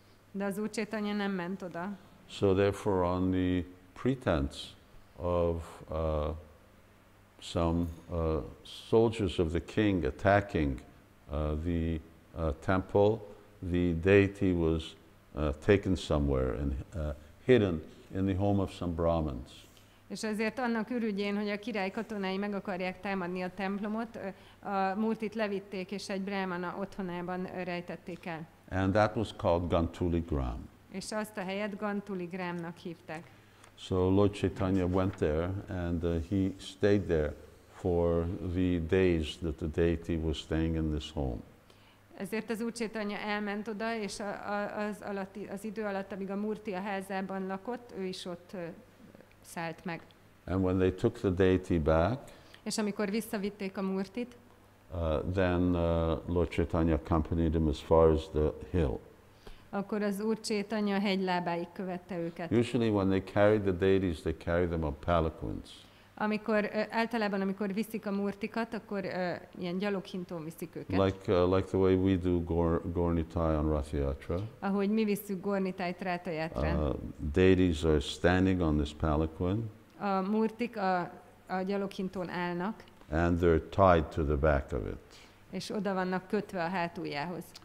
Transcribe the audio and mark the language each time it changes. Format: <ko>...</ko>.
<hu>De az Úr Caitanya nem ment oda.</hu> <en>So therefore on the pretense of some soldiers of the king attacking the temple, the deity was taken somewhere and hidden in the home of some Brahmins.</en> <hu>És ezért annak ürügyén, hogy a király katonái meg akarják támadni a templomot, a Murtit levitték, és egy brahmana otthonában rejtették el.</hu> <en>And that was called Gantuli Gram.</en> <hu>És azt a helyet Gantuli Gramnak hívták.</hu> <en>So Lord Caitanya went there, and he stayed there for the days that the deity was staying in this home.</en> <hu>Ezért az Úr Caitanya elment oda, és az idő alatt, amíg a Murti a házában lakott, ő is ott szállt meg.</hu> <en>And when they took the deity back,</en> <hu>és amikor visszavitték a Murtit,</hu> <en>then Lord Caitanya accompanied him as far as the hill.</en> <hu>Akkor az Úr Caitanya hegylábáig követte őket.</hu> <en>Usually when they carry the deities, they carry them on palanquins.</en> <hu>Amikor általában amikor viszik a murtikat, akkor ilyen gyaloghintón viszik őket.</hu> <en>Like the way we do gornitai on Rath Yatra.</en> <hu>Ahogy mi visszük gornitait Rath Yatrán.</hu> <en>Deities are standing on this palanquin.</en> <hu>A murtik a gyaloghintón állnak.</hu> <en>And they're tied to the back of it.</en> <hu>És oda vannak kötve a hátuljához.</hu>